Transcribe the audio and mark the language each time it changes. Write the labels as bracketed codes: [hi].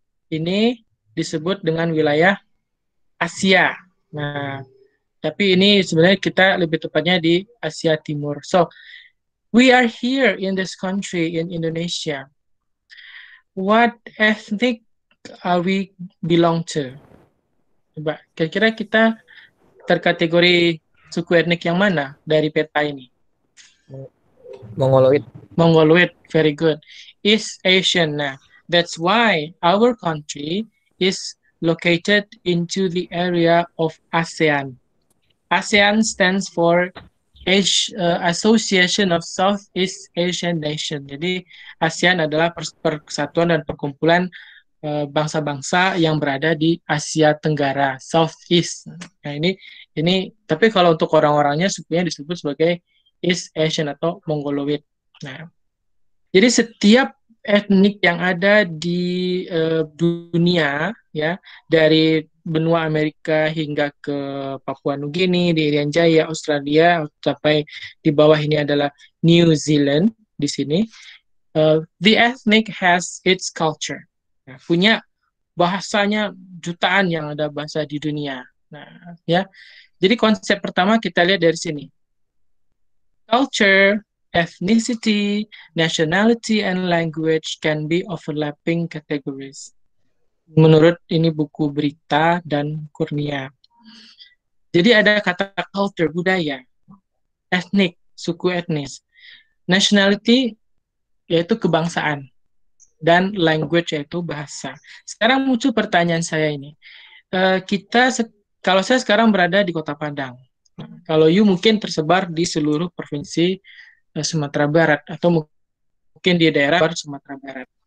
[id] Ini disebut dengan wilayah Asia. Nah, tapi ini sebenarnya kita lebih tepatnya di Asia Timur. [en] So, we are here in this country, in Indonesia. What ethnic are we belong to? [id] Coba, kira-kira kita terkategori suku etnik yang mana dari peta ini? [en] Mongoloid. Mongoloid, very good. Is Asian. Nah, that's why our country is located into the area of ASEAN. ASEAN stands for Association of Southeast Asian Nations. [id] Jadi ASEAN adalah persatuan dan perkumpulan bangsa-bangsa yang berada di Asia Tenggara, Southeast. Nah, ini tapi kalau untuk orang-orangnya sukunya disebut sebagai East Asian atau Mongoloid. Nah, jadi setiap etnik yang ada di dunia ya, dari benua Amerika hingga ke Papua Nugini, di Irian Jaya, Australia, sampai di bawah ini adalah New Zealand di sini. [en] The ethnic has its culture. [id] Ya, punya bahasanya jutaan yang ada bahasa di dunia. Nah, ya. Jadi konsep pertama kita lihat dari sini. [en] Culture, ethnicity, nationality, and language can be overlapping categories. [id] Menurut ini buku Berita dan Kurnia. Jadi ada kata culture, budaya, ethnic, suku etnis, nationality, yaitu kebangsaan, dan language, yaitu bahasa. Sekarang muncul pertanyaan saya ini. Kalau saya sekarang berada di Kota Padang, kalau you mungkin tersebar di seluruh provinsi Sumatera Barat, atau mungkin di daerah Sumatera Barat.